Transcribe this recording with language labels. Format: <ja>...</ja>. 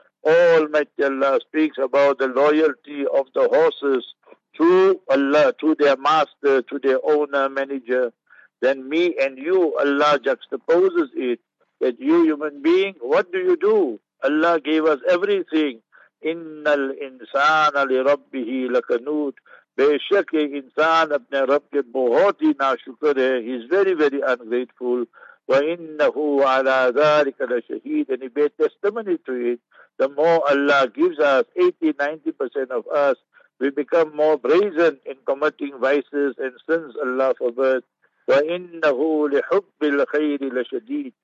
<en>Almighty Allah speaks about the loyalty of the horses to Allah, to their master, to their owner, manager. then me and you, Allah juxtaposes it, that you human being, what do? Allah gave us everything.</en> <ar>إِنَّ الْإِنسَانَ لِرَبِّهِ لَكَنُوتِ</ar> <ur>بے شک انسان اپنے رب کے بہت ہی ناشکر ہے.</ur> <en>He is very, very ungrateful.</en> <ar>وَإِنَّهُ عَلَىٰ ذَٰلِكَ لَشَهِيدٍ.</ar> <en>And he bear testimony to it. The more Allah gives us, 80-90% of us, we become more brazen in committing vices and sins, Allah forbid.</en> <ar>وَإِنَّهُ لِحُبِّ الْخَيْرِ لَشَدِيدٍ.</ar>